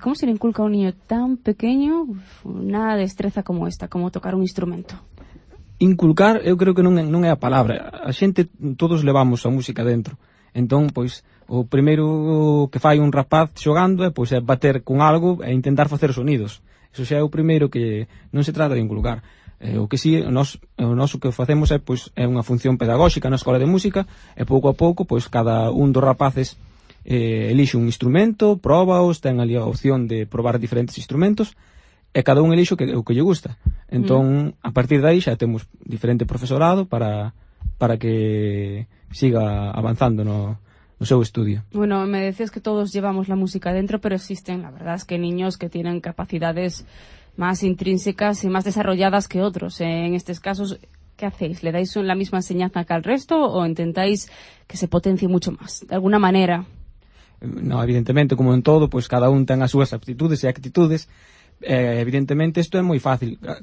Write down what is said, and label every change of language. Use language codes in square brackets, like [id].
[es] ¿Cómo se le inculca a un niño tan pequeño una destreza como esta, como tocar un instrumento? [gl] Inculcar, eu creo que non é a palabra. A xente, todos levamos a música dentro. Entón, pois, o primeiro que fai un rapaz xogando é, pois, é bater con algo e intentar facer sonidos. Eso xa é o primeiro que non se trata de inculcar. O que sí, nós o que facemos é, pois, é unha función pedagóxica na escola de música e pouco a pouco, pois, cada un dos rapaces elixe un instrumento, próbaos, ten ali a opción de probar diferentes instrumentos e cada un elixe o que lle gusta. Entón, a partir dai xa temos diferente profesorado para que siga avanzando no seu estudio. [es] Bueno, me decías que todos llevamos la música dentro, pero existen, la verdad es que niños que tienen capacidades más intrínsecas y más desarrolladas que otros. En estos casos, ¿qué hacéis? ¿Le dais la misma enseñanza que al resto o intentáis que se potencie mucho más, de alguna manera? No, evidentemente, como en todo, pues [gl] cada un ten as súas aptitudes e actitudes. Evidentemente, isto é moi fácil.